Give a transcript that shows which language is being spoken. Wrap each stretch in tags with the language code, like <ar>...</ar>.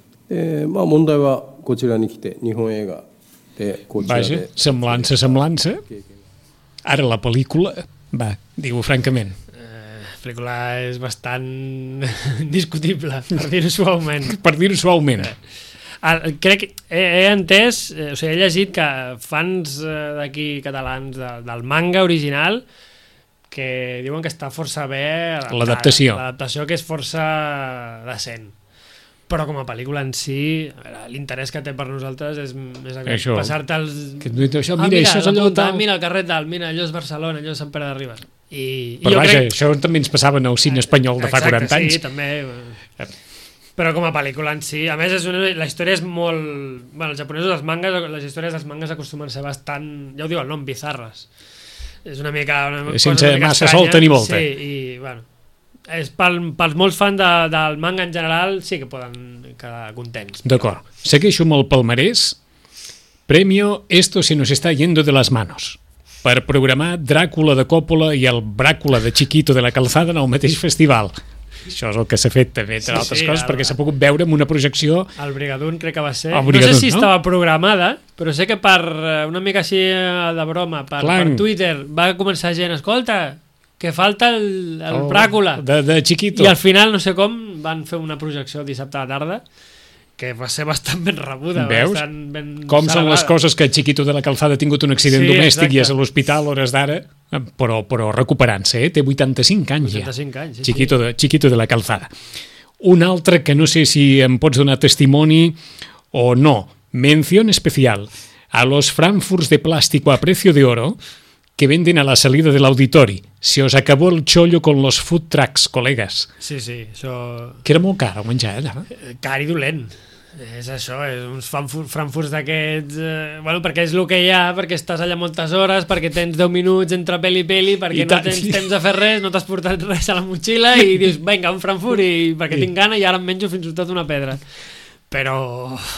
<ja>まあ、問題はこちらに来て日本映画でこちらで。</ja> <ca>Vaja, semblança. Ara la pel·lícula, va, digue-ho francament. La pel·lícula és bastant discutible, per dir-ho suaument. Per dir-ho suaument. Crec que he entès, o sigui, he llegit que fans d'aquí catalans del manga original, que diuen que està força bé l'adaptació. L'adaptació, que és força decent. Però com a pel·lícula en si, l'interès que té per nosaltres és més aviat passar-te els... Que et dic, això, mira, això és allò tal... Mira el carret dalt, mira, allò és Barcelona, allò és Sant Pere de Ribes. Però vaja, crec... això també ens passava en el cine espanyol de exacte, fa 40 anys. Sí, també. Però com a pel·lícula en si, a més, és una, la història és molt... Bé, els japonesos, els mangas, les històries dels mangas acostumen a ser bastant... Ja ho diu el nom, bizarres. És una mica... Una sense una mica massa solta ni volta. Sí, i bueno... És pels molts fans del manga en general, sí que poden quedar contents. D'acord. Segueixo amb el palmarès.</ca> <es>Premio Esto se nos está yendo de las manos.</es> <ca>Per programar Dràcula de Coppola i el Bràcula de Chiquito de la Calzada en el mateix festival. Això és el que s'ha fet també, entre altres sí, coses, perquè s'ha pogut veure en una projecció... El Brigadoon crec que va ser. Brigadoon, no sé si estava programada, però sé que per una mica així de broma, per Twitter, va començar gent, escolta... que falta el Bràcula de Chiquito, i al final no sé com van fer una projecció dissabte a la tarda que va ser bastant ben rebuda. Veus? Bastant ben com salvada. Són les coses, que Chiquito de la Calzada ha tingut un accident, sí, domèstic, exacte, i és a l'hospital hores d'ara, però recuperant-se, té 85 anys, 85 ja anys, sí, Chiquito, sí. Chiquito de la Calzada. Un altre que no sé si em pots donar testimoni o no,</ca> <es>mención especial a los frankfurts de plástico a precio de oro que venden a la salida de</es> <ca>l'auditori.</ca> <es>Se os acabó el chollo con los food trucks, colegas.</es> <ca>Sí, sí, això... Que era molt car, el menjar, allà. Car i dolent. És això, és uns frankfurts d'aquests... Bueno, perquè és el que hi ha, perquè estàs allà moltes hores, perquè tens 10 minuts entre peli, perquè no tens temps de fer res, no t'has portat res a la motxilla i dius, vinga, un frankfurt, i perquè tinc gana, i ara em menjo fins i tot una pedra. Però...</ca>